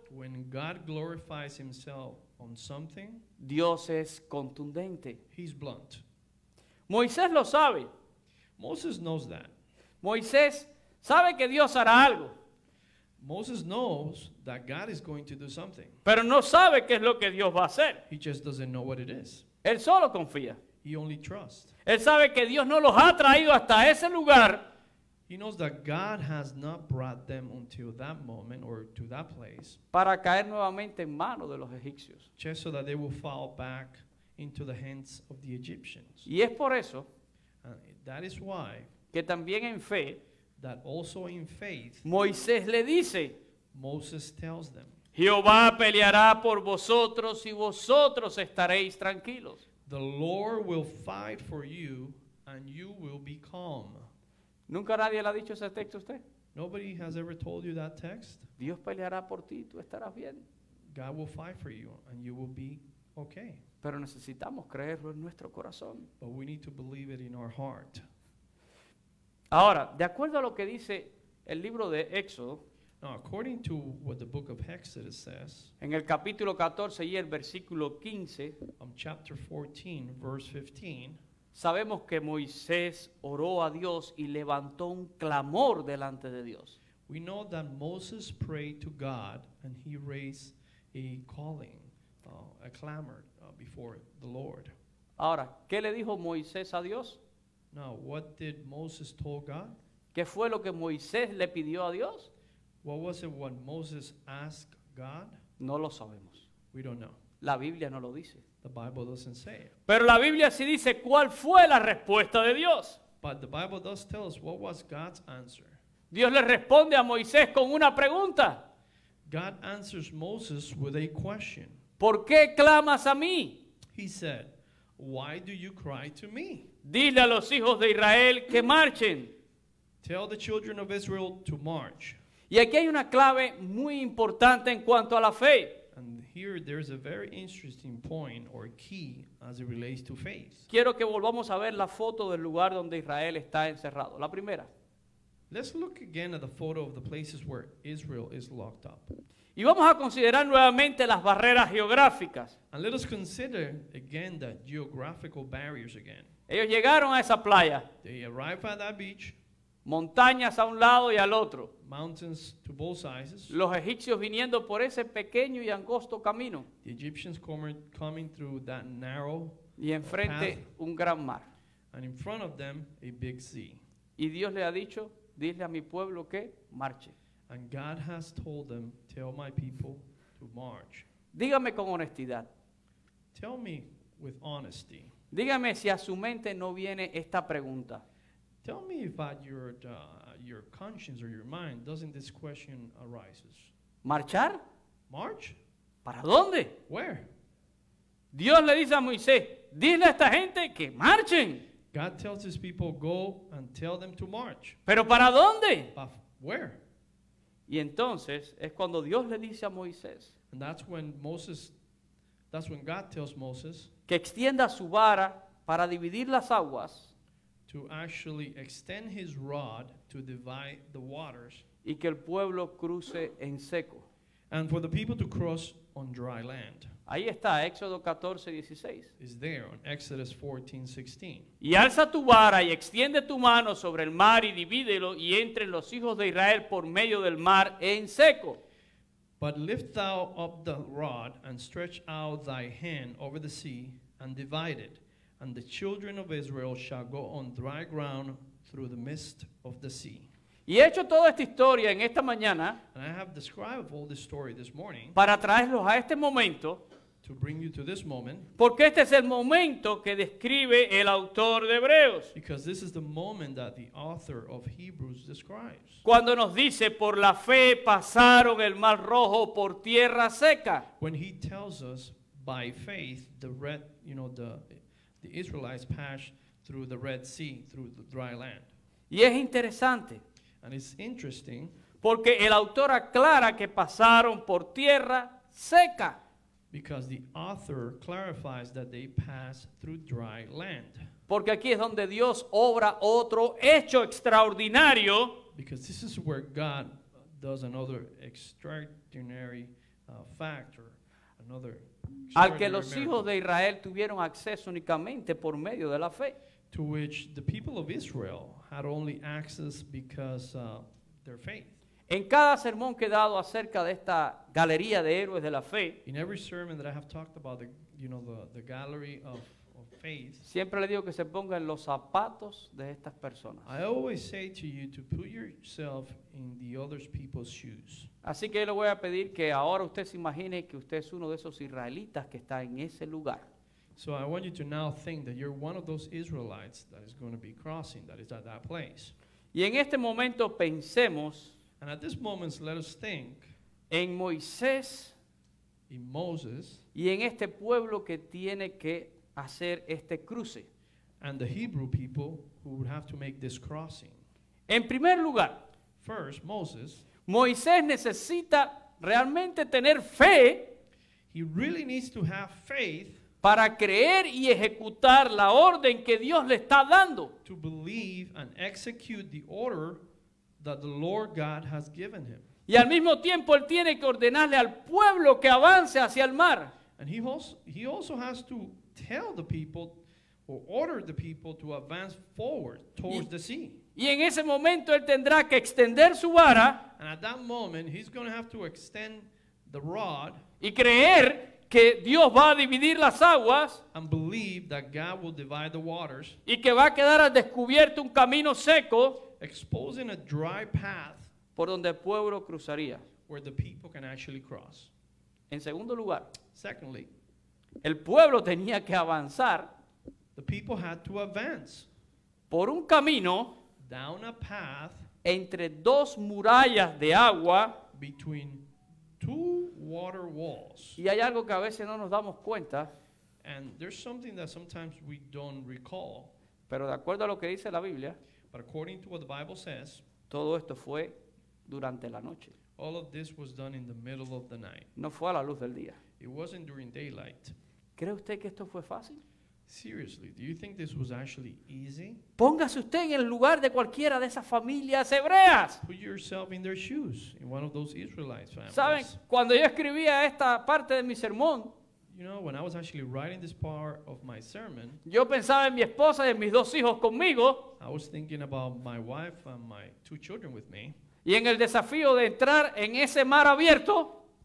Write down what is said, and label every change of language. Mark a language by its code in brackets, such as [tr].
[en] when God glorifies himself on something, [es] Dios es contundente. [en] He's blunt. [es] Moisés lo sabe. [en] Moses knows that. [es] Moisés sabe que Dios hará algo. [en] Moses knows that God is going to do something. [es] Pero no sabe qué es lo que Dios va a hacer. [en] He just doesn't know what it is. [es] Él solo confía. [en] He only trusts. [es] Él sabe que Dios no los ha traído hasta ese lugar. [en] He knows that God has not brought them until that moment or to that place. [es] Para caer nuevamente en manos de los egipcios. [en] Just so that they will fall back into the hands of the Egyptians. [es] Y es por eso, [en] that is why, [es] que también en fe, [en] that also in faith, [es] Moisés le dice, [en] Moses tells them, [es] Jehová peleará por vosotros y vosotros estaréis tranquilos. [en] The Lord will fight for you and you will be calm. [es] ¿Nunca nadie le ha dicho ese texto a usted? [en] Nobody has ever told you that text. [es] Dios peleará por ti, tú estarás bien. [en] God will fight for you and you will be okay. [es] Pero necesitamos creerlo en nuestro corazón. [en] But we need to believe it in our heart. [es] Ahora, de acuerdo a lo que dice el libro de Éxodo, [en] now, according to what the book of Exodus says, [es] en el capítulo 14 y el versículo 15, [en] chapter 14, verse 15, [es] sabemos que Moisés oró a Dios y levantó un clamor delante de Dios. [en] We know that Moses prayed to God and he raised a calling, a clamor before the Lord. [es] Ahora, ¿qué le dijo Moisés a Dios? [en] Now, what did Moses told God? [es] ¿Qué fue lo que Moisés le pidió a Dios? [en] What was it when Moses asked God? [es] No lo sabemos. [en] We don't know. [es] La Biblia no lo dice. [en] The Bible doesn't say it. [es] Pero la Biblia sí dice cuál fue la respuesta de Dios. [en] But the Bible does tell us what was God's answer. [es] Dios le responde a Moisés con una pregunta. [en] God answers Moses with a question. [es] ¿Por qué clamas a mí? [en] He said, why do you cry to me? [es] Dile a los hijos de Israel que marchen. [en] Tell the children of Israel to march. [es] Y aquí hay una clave muy importante en cuanto a la fe. [en] And here there's a very interesting point or key as it relates to faith. [es] Quiero que volvamos a ver la foto del lugar donde Israel está encerrado. La primera. [en] Let's look again at the photo of the places where Israel is locked up. [es] Y vamos a considerar nuevamente las barreras geográficas. [en] And let us consider again the geographical barriers again. [es] Ellos llegaron a esa playa. [en] They arrived at that beach. [es] Montañas a un lado y al otro. [en] Mountains to both sides. [es] Los egipcios viniendo por ese pequeño y angosto camino. [en] The Egyptians coming through that narrow [es] path. Y enfrente un gran mar. [en] And in front of them a big sea. [es] Y Dios le ha dicho, dile a mi pueblo que marche. [en] And God has told them, tell my people to march. [es] Dígame con honestidad. [en] Tell me with honesty. [es] Dígame si a su mente no viene esta pregunta. [en] Tell me if at your conscience or your mind doesn't this question arises. [es] ¿Marchar? [en] March? [es] ¿Para dónde? [en] Where? [es] Dios le dice a Moisés, dile a esta gente que marchen. [en] God tells his people, go and tell them to march. [es] ¿Pero para dónde? [en] But where? [es] Y entonces es cuando Dios le dice a Moisés. [en] And that's when God tells Moses. [es] Que extienda su vara para dividir las aguas. [en] To actually extend his rod to divide the waters. [es] Y que el pueblo cruce en seco. [en] And for the people to cross on dry land. [es] Ahí está, Éxodo 14, 16. [en] It's there on Exodus 14, 16. [es] Y alza tu vara y extiende tu mano sobre el mar y divídelo y entren los hijos de Israel por medio del mar en seco. [en] But lift thou up the rod and stretch out thy hand over the sea and divide it. And the children of Israel shall go on dry ground through the midst of the sea. [es] Y he hecho toda esta historia en esta mañana. [en] And I have described all this story this morning. [es] Para traerlos a este momento. [en] To bring you to this moment. [es] Porque este es el momento que describe el autor de Hebreos. [en] Because this is the moment that the author of Hebrews describes. [es] Cuando nos dice, por la fe pasaron el Mar Rojo por tierra seca. [en] When he tells us, by faith, the red, you know, the Israelites passed through the Red Sea, through the dry land. [es] Y es interesante. [en] And it's interesting. [es] Porque el autor aclara que pasaron por tierra seca. [en] Because the author clarifies that they passed through dry land. [es] Porque aquí es donde Dios obra otro hecho extraordinario. [en] Because this is where God does another extraordinary factor. Another extraordinary [es] al que los miracle. Hijos de Israel tuvieron acceso únicamente por medio de la fe. [en] To which the people of Israel had only access because of their faith. [es] En cada sermón que he dado acerca de esta galería de héroes de la fe, [en] in every sermon that I have talked about the, you know, the gallery of faith, [es] siempre le digo que se ponga en los zapatos de estas personas. [en] I always say to you to put yourself in the other people's shoes. [es] Así que yo le voy a pedir que ahora usted se imagine que usted es uno de esos israelitas que está en ese lugar. [en] So I want you to now think that you're one of those Israelites that is going to be crossing, that is at that place. [es] Y en este momento pensemos, [en] and at this moment, let us think, [es] en Moisés [en] in Moses, [es] y en este pueblo que tiene que hacer este cruce. [en] And the Hebrew people who would have to make this crossing. [es] En primer lugar, [en] first, Moses, [es] Moisés necesita realmente tener fe. [en] He really needs to have faith [es] para creer y ejecutar la orden que Dios le está dando. [en] To believe and execute the order that the Lord God has given him. [es] Y al mismo tiempo él tiene que ordenarle al pueblo que avance hacia el mar. [en] And he also has to tell the people or order the people to advance forward towards the sea. [es] Y en ese momento él tendrá que extender su vara. [en] And at that moment he's going to have to extend the rod. [es] Y creer que Dios va a dividir las aguas. [en] And believe that God will divide the waters. [es] Y que va a quedar al descubierto un camino seco. [en] Exposing a dry path. [es] Por donde el pueblo cruzaría. [en] Where the people can actually cross. [es] En segundo lugar. [en] Secondly. [es] El pueblo tenía que avanzar. [en] The people had to advance. [es] Por un camino. [en] Down a path. [es] Entre dos murallas de agua. [en] Between two water walls. [es] Y hay algo que a veces no nos damos cuenta. [en] And there's something that sometimes we don't recall. [es] Pero de acuerdo a lo que dice la Biblia. [en] But according to what the Bible says. [es] Todo esto fue durante la noche. [en] All of this was done in the middle of the night. [es] No fue a la luz del día. [en] It wasn't during daylight. [es] ¿Cree usted que esto fue fácil? [en] Seriously, do you think this was actually easy? [es] Póngase usted en el lugar de cualquiera de esas familias hebreas. [en] Put yourself in their shoes, in one of those Israelite families. [es] ¿Saben? Cuando yo escribía esta parte de mi sermón, [en] you know, when I was actually writing this part of my sermon, [es] yo pensaba en mi esposa y en mis dos hijos conmigo. [en] I was thinking about my wife and my two children with me. [es] Y en el desafío de entrar en ese mar abierto.